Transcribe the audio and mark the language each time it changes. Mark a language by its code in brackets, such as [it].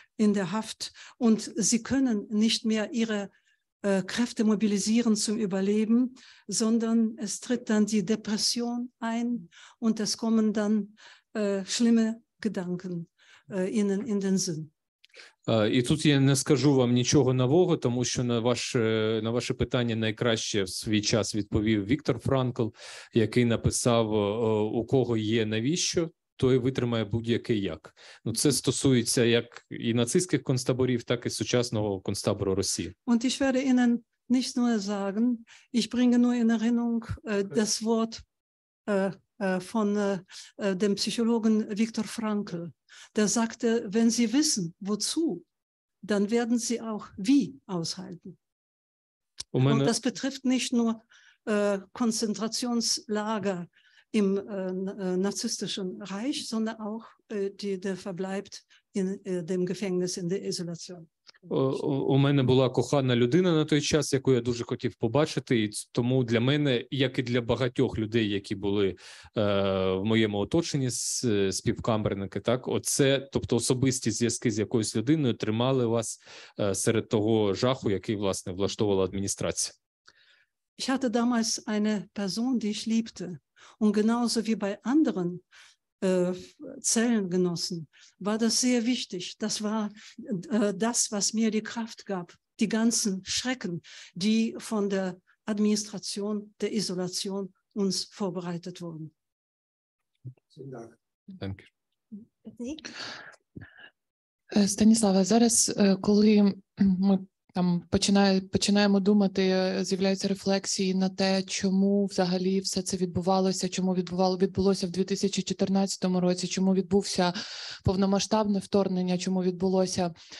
[de] in der Haft und sie können nicht mehr ihre Kräfte mobilisieren zum Überleben, sondern es tritt dann die Depression ein und es kommen dann schlimme Gedanken ihnen in den Sinn. [uk] І тут я не скажу вам нічого нового, тому що на ваше питання найкраще в свій час відповів Віктор Франкл, який написав, у кого є навіщо, той витримає будь-який як. Ну, це стосується як і нацистських концтаборів, так і сучасного концтабору Росії. [de] Und ich werde Ihnen nicht nur sagen, ich bringe nur in Erinnerung das Wort von dem Psychologen Viktor Frankl. Der sagte, wenn Sie wissen, wozu, dann werden Sie auch wie aushalten. Und das betrifft nicht nur Konzentrationslager im narzisstischen Reich, sondern auch der verbleibt in dem Gefängnis, in der Isolation. [uk] У мене була кохана людина на той час, яку я дуже хотів побачити, і тому для мене, як і для багатьох людей, які були в моєму оточенні співкамерники, так, оце, тобто особисті зв'язки з якоюсь людиною тримали вас серед того жаху, який, власне, влаштовувала адміністрація. [de] Ich hatte damals eine Person, die ich liebte, und genauso wie bei anderen Zellengenossen, war das sehr wichtig. Das war das, was mir die Kraft gab, die ganzen Schrecken, die von der Administration der Isolation uns vorbereitet wurden. Vielen Dank. Danke. [uk] Станіслава, зараз, коли ми там починаємо думати, з'являються рефлексії на те, чому взагалі все це відбувалося, чому відбулося в 2014 році, чому відбувся повномасштабне вторгнення, чому відбулося.